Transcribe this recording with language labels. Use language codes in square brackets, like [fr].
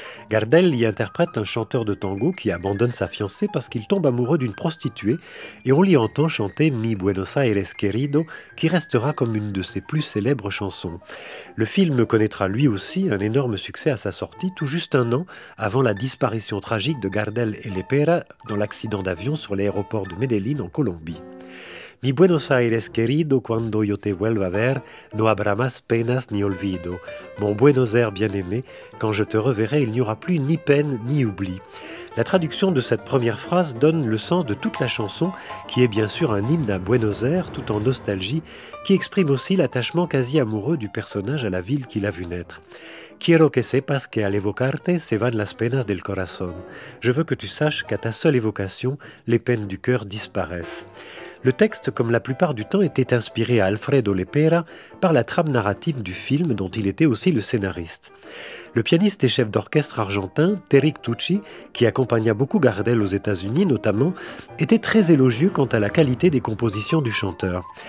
[fr] Gardel y interprète un chanteur de tango qui abandonne sa fiancée parce qu'il tombe amoureux d'une prostituée, et on l'y entend chanter Mi Buenos Aires Querido, qui restera comme une de ses plus célèbres chansons. Le film connaîtra lui aussi un énorme succès à sa sortie, tout juste un an avant la disparition tragique de Gardel et Lepera dans l'accident d'avion sur l'aéroport de Medellín en Colombie. [es] Mi Buenos Aires querido, cuando yo te vuelva a ver, no habrá más penas ni olvido. [fr] Mon Buenos Aires bien-aimé, quand je te reverrai, il n'y aura plus ni peine ni oubli. La traduction de cette première phrase donne le sens de toute la chanson, qui est bien sûr un hymne à Buenos Aires, tout en nostalgie, qui exprime aussi l'attachement quasi amoureux du personnage à la ville qu'il a vu naître. [es] Quiero que sepas que al evocarte se van las penas del corazón. [fr] Je veux que tu saches qu'à ta seule évocation, les peines du cœur disparaissent. Le texte, comme la plupart du temps, était inspiré à Alfredo Lepera par la trame narrative du film dont il était aussi le scénariste. Le pianiste et chef d'orchestre argentin, Terik Tucci, qui accompagna beaucoup Gardel aux États-Unis notamment, était très élogieux quant à la qualité des compositions du chanteur.